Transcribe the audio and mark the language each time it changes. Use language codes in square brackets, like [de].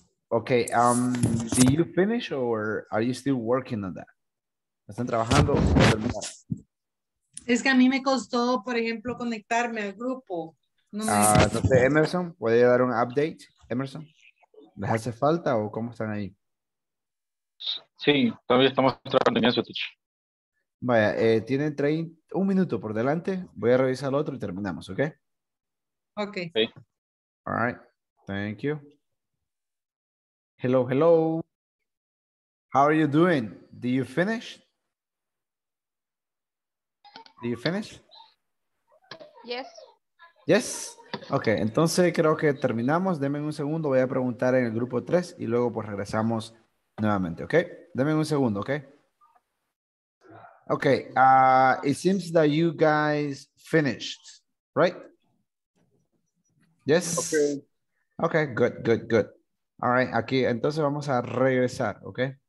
[en] Okay, do you finish or are you still working on that? [es] ¿Están trabajando? Es que a mí me costó, por ejemplo, conectarme al grupo. Entonces, Emerson, ¿puede dar un update? Emerson, ¿les hace falta o cómo están ahí? Sí, todavía estamos trabajando en eso, teacher. Vaya, tienen 1 minuto por delante. Voy a revisar el otro y terminamos, ¿ok? Ok. [en] Hey. All right. Thank you. Hello, hello. How are you doing? Do you finish? Yes. [es] Yes? Ok, entonces creo que terminamos. Deme un segundo, voy a preguntar en el grupo 3 y luego pues regresamos nuevamente, ok. Deme un segundo, ok. [en] Ok, it seems that you guys finished, right? Yes? Okay. Ok, good, good, good. All right, [es] aquí entonces vamos a regresar, ok.